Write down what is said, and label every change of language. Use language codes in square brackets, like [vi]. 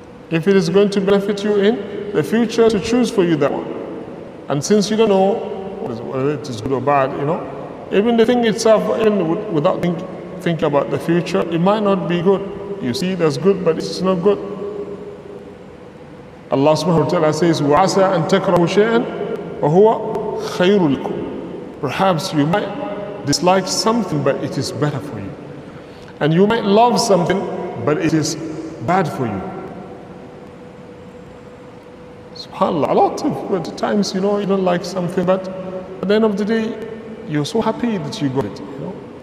[en] If it is going to benefit you in the future, to choose for you that one. And since you don't know whether it is good or bad, you know, even the thing itself, even without thinking about the future, it might not be good. You see, that's good, but it's not good. Allah subhanahu wa ta'ala says, [ar] وَعَسَىٰ أَن تَكْرَهُ شَيْئًا وَهُوَ خَيْرٌ لَكُمْ. [en] Perhaps you might dislike something, but it is better for you. And you might love something, but it is bad for you. SubhanAllah, a lot of times, you know, you don't like something, but at the end of the day, you're so happy that you got it, you know.